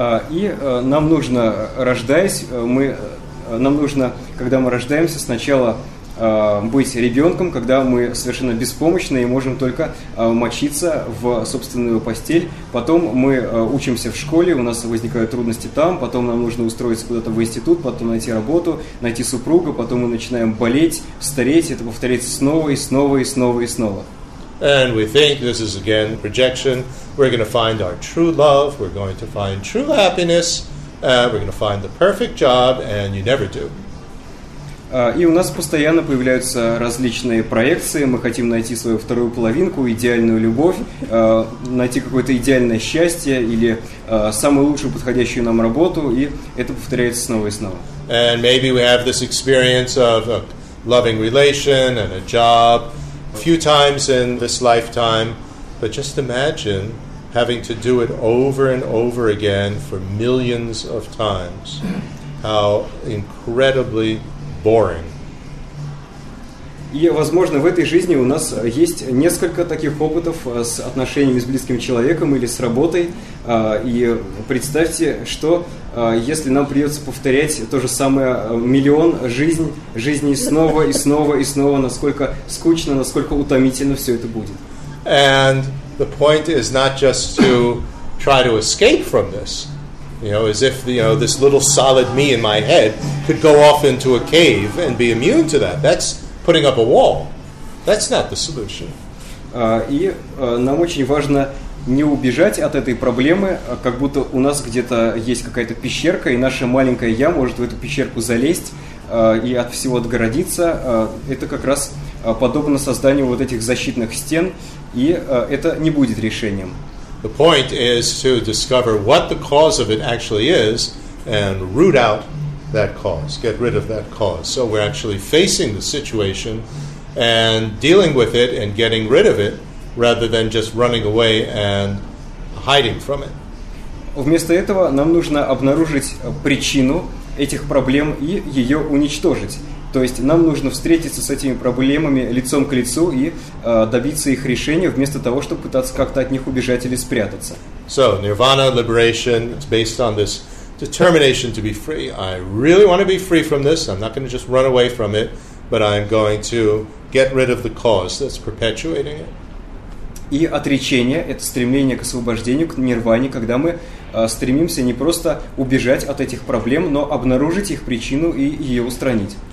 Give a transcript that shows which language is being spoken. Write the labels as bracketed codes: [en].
[ru] И нам нужно, рождаясь, мы нам нужно, когда мы рождаемся, сначала быть ребенком, когда мы совершенно беспомощны и можем только мочиться в собственную постель. Потом мы учимся в школе, у нас возникают трудности там, потом нам нужно устроиться куда-то в институт, потом найти работу, найти супруга, потом мы начинаем болеть, стареть, это повторяется снова и снова и снова и снова. [en] And we think this is again projection. We're going to find our true love, we're going to find true happiness, we're going to find the perfect job, and you never do. [ru] И у нас постоянно появляются различные проекции. Мы хотим найти свою вторую половинку, идеальную любовь, найти какое-то идеальное счастье или самую лучшую подходящую нам работу, и это повторяется снова и снова. [en] And maybe we have this experience of a loving relation and a job a few times in this lifetime, but just imagine having to do it over and over again for millions of times. How incredibly boring. [ru] И, возможно, в этой жизни у нас есть несколько таких опытов с отношениями с близким человеком или с работой. И представьте, что если нам придется повторять то же самое миллион жизней снова и снова и снова, насколько скучно, насколько утомительно все это будет. [en] And the point is not just to try to escape from this. You know, as if, you know, this little solid me in my head could go off into a cave and be immune to that. That's putting up a wall. That's not the solution. [ru] И нам очень важно не убежать от этой проблемы, как будто у нас где-то есть какая-то пещерка, и наша маленькая я может в эту пещерку залезть и от всего отгородиться. Это как раз подобно созданию вот этих защитных стен, и это не будет решением. [en] The point is to discover what the cause of it actually is and root out that cause, get rid of that cause. So we're actually facing the situation and dealing with it and getting rid of it rather than just running away and hiding from it. [ru] Вместо этого нам нужно обнаружить причину этих проблем и ее уничтожить. То есть нам нужно встретиться с этими проблемами лицом к лицу и добиться их решения, вместо того, чтобы пытаться как-то от них убежать или спрятаться. [en] So, nirvana, liberation, it's based on this determination to be free. I really want to be free from this. I'm not going to just run away from it, but I'm going to get rid of the cause that's perpetuating it. [ru] И отречение – это стремление к освобождению, к нирване, когда мы стремимся не просто убежать от этих проблем, но обнаружить их причину и ее устранить.